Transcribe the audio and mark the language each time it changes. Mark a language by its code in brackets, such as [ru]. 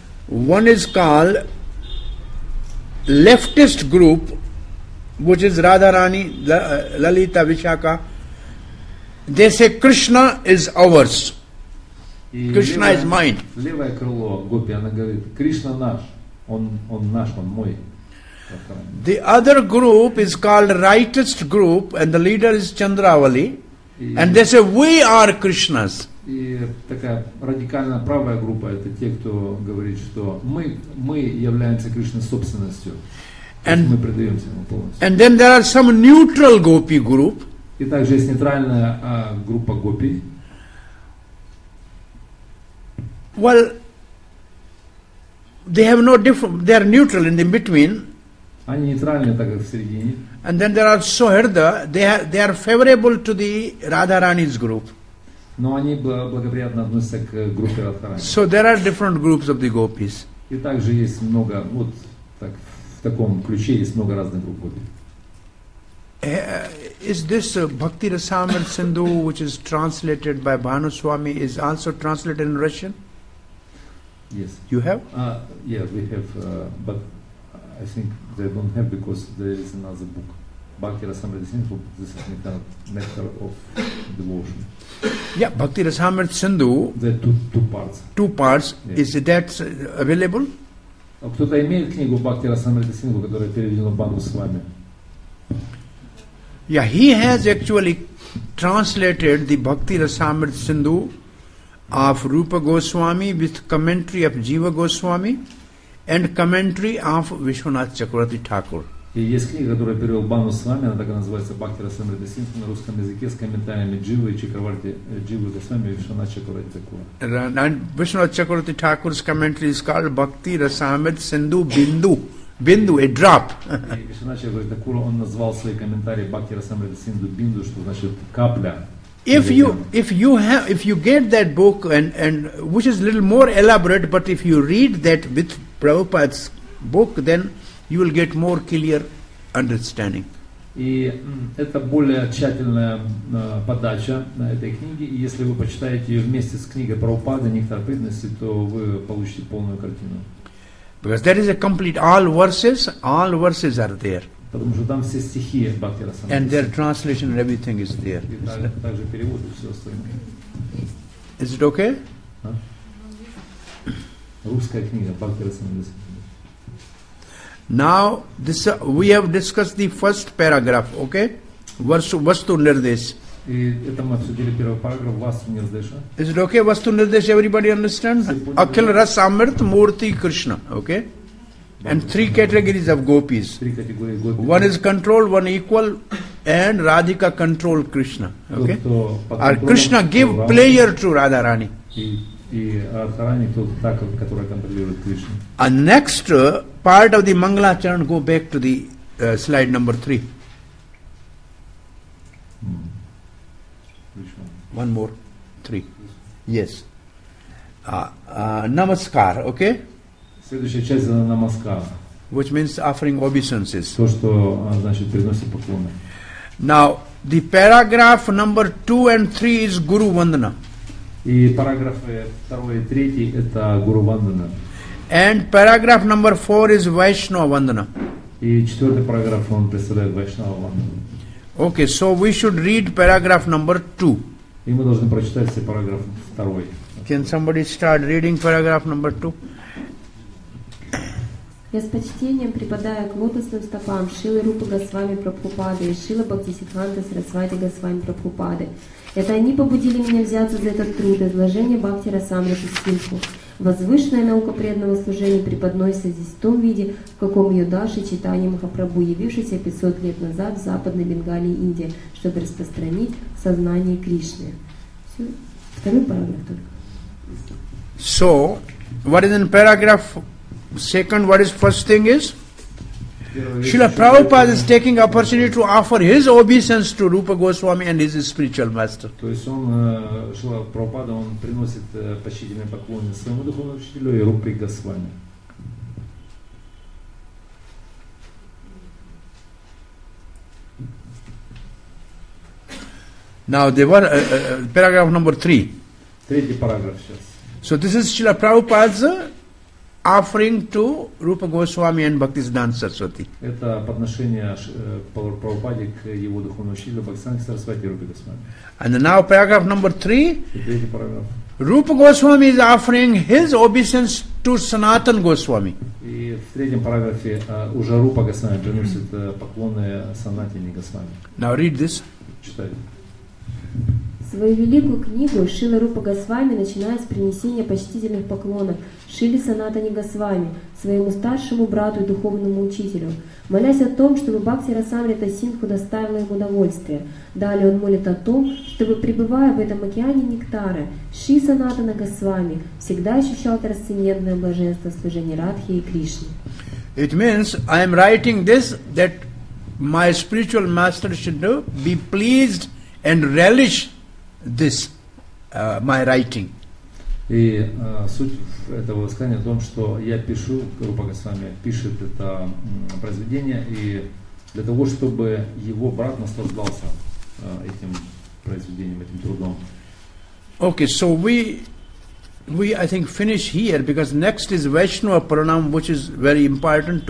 [en] One is called leftist group, which is Radharani, Lalita, Vishakha, they say Krishna is ours. Krishna is mine. [ru] Левое крыло гопи, она говорит, Кришна наш, он наш, он мой. [en] The other group is called rightist group, and the leader is Chandravali, and they say we are Krishna's. [ru] И такая радикально правая группа это те, кто говорит, что мы являемся Кришной собственностью. [en] And, [ru] мы предаемся ему полностью. [en] And then there are some neutral gopi group. [ru] И также есть нейтральная группа гопи. [en] Well, they have no different, they are neutral in the between. [ru] Они нейтральные, так как в середине. [en] And then there are Sohrda, they are favorable to the Radharani's group. [ru] Но они благоприятно относятся к группе Радхарани. [en] So there are different groups of the gopis. [ru] И также есть много, вот так, в таком ключе есть много разных групп гопи. [en] Is this Bhakti Rasamrita Sindhu, which is translated by Bhanuswami, is also translated in Russian? Yes. You have? Yeah, we have, but I think they don't have because there is another book. Bhakti Rasamrita Sindhu, this is a matter of devotion. Yeah, Bhakti Rasamrita Sindhu. The two parts. Two parts. Yeah. Is that available? [ru] Кто-то имеет книгу Бхакти Расамрита Сингху, которая переведена Бану с вами? [en] Yeah, he has actually translated the Bhakti Rasamrita Sindhu of Rupa Goswami with commentary of Jiva Goswami and commentary of Vishwanath Chakravarti Thakur. [ru] И есть книга, которую перевел Бану с вами, она так и называется «Бхакти Расамрита Сингху» на русском языке с комментариями Дживы и Чакраварти, Дживы Госвами и Вишванат Чакраварти Такура. [en] And Вишванат Чакраварти Такур's commentary is called «Бхакти Расамрита Сингху Бинду». Бинду, a drop. [ru] И Вишванат Чакраварти Такура, он назвал свои комментарии «Бхакти Расамрита Сингху Бинду», что значит «капля». [en] If you get that book and which is a little more elaborate, but if you read that with Prabhupada's book, then you will get more clear understanding. [ru] И это более тщательная подача на этой книге. И если вы почитаете ее вместе с книгой Прабхупады «Нектар преданности», то вы получите полную картину. [en] Because there is a complete all verses are there. [ru] Потому что там все стихи Бхакти Расамриты. [en] And their translation and everything is there. [ru] И также переводы все остальное. [en] Is it okay? [ru] Русская книга Бхакти Расамриты. [en] Now this we have discussed the first paragraph, okay? Vastu Nirdesh. Is it okay? Vastu Nirdesh, everybody understand? Akhil Ras Amrit Murti Krishna, okay? And three categories of gopis. One is control, one equal, and Radhika control Krishna. Okay? Or Krishna give pleasure to Radharani. A next part of the Mangalacharan, go back to the slide number 3. One more. 3. Yes. Namaskar, okay? [ru] Следующая часть – Namaskar. [en] Which means offering obeisances. [ru] То, что значит приносит поклоны. [en] Now, the paragraph number 2 and 3 is Guru Vandana. [ru] И параграфы 2 и 3 – это Guru Vandana. [en] And paragraph number 4 is Vaishnava Vandana. [ru] И четвертый параграф, он представляет Vaishnava Vandana. [en] Okay, so we should read paragraph number 2. [ru] И мы должны прочитать все параграф второй. [en] Can somebody start reading paragraph number 2? [ru] Я с почтением припадаю к лотосным стопам Шилы Рупы Госвами Прабхупады и Шилы Бхактисиддханты Сарасвати Госвами Прабхупады. Это они побудили меня взяться за этот труд, изложение Бхакти Расамриты Стильху. Возвышенная наука преданного служения преподносится здесь в том виде, в каком ее Даши Чайтанья Махапрабху, явившийся 500 лет назад в Западной Бенгалии, Индии, чтобы распространить сознание Кришны. Все. Второй параграф только. [en] So, what is in paragraph second, what is first thing is? Srila Prabhupada is taking opportunity to offer his obeisance to Rupa Goswami and his spiritual master. [ru] То есть он, Шрила Прабхупада, он приносит почтительные поклоны своему духовному учителю и Рупе Госвами. [en] Now, there were, paragraph number 3. [ru] Третий параграф сейчас. [en] So this is Srila Prabhupada's offering to Rupa Goswami and Bhaktisiddhanta Saraswati. [ru] Это подношение Прабхупаде к его духовному учителю Бхактисиддханте Сарасвати и Рупе Госвами. [en] And now paragraph number 3. Rupa Goswami is offering his obeisance to Sanatan Goswami. [ru] И в третьем параграфе уже Рупа Госвами приносит поклоны Санатине Госвами. [en] Now read this. [ru] Читай. Свою великую книгу Шрила Рупа Госвами начинает с принесения почтительных поклонов Шрили Санатане Госвами, своему старшему брату и духовному учителю, молясь о том, чтобы Бхакти Расамрита Сингху доставила ему удовольствие. Далее он молит о том, чтобы, пребывая в этом океане нектара, Шри Санатана Госвами всегда ощущал трансцендентное блаженство служения Радхи и Кришне. [en] It means I am writing this that my spiritual master should be pleased and relish this my writing. [ru] И суть этого сказания в том, что я пишу, Рупа Госвами пишет это произведение, и для того, чтобы его брат наслаждался этим произведением, этим трудом. [en] Okay, so we I think finish here, because next is Vaishnava Pranam, which is very important.